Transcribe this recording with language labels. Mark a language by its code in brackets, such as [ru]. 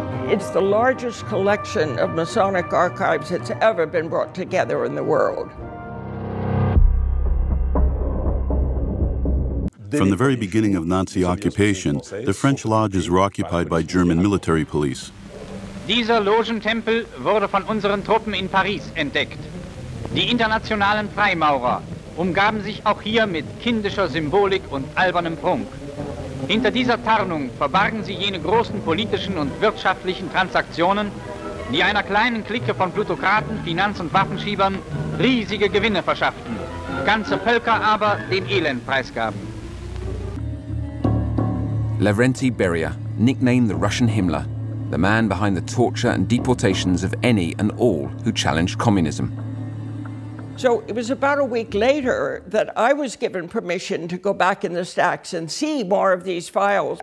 [en] It's the largest collection of Masonic archives that's ever been brought together in the world. From the very beginning of Nazi occupation, the French lodges were occupied by German military police. [de] Dieser Logentempel wurde von unseren Truppen in Paris entdeckt. Die internationalen Freimaurer umgaben sich auch hier mit kindischer Symbolik und albernem Prunk. Hinter dieser Tarnung verbargen sie jene großen politischen und wirtschaftlichen Transaktionen, die einer kleinen Clique von Plutokraten, Finanz- und Waffenschiebern riesige Gewinne verschafften, ganze Völker aber den Elend preisgaben. [en] Lavrenti Beria, nicknamed the Russian Himmler, the man behind the torture and deportations of any and all who challenged communism. So it was about a week later that I was given permission to go back in the stacks and see more of these files.